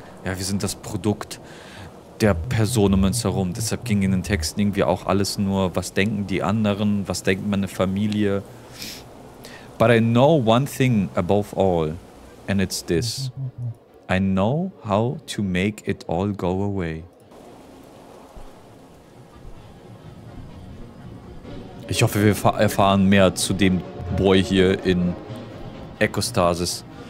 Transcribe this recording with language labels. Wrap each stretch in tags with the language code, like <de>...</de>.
<de>Ja, wir sind das Produkt der Person um uns herum. Deshalb ging in den Texten irgendwie auch alles nur, was denken die anderen, was denkt meine Familie.</de> <en>But I know one thing above all, and it's this. I know how to make it all go away.</en> <de>Ich hoffe, wir erfahren mehr zu dem Boy hier in Echostasis.</de>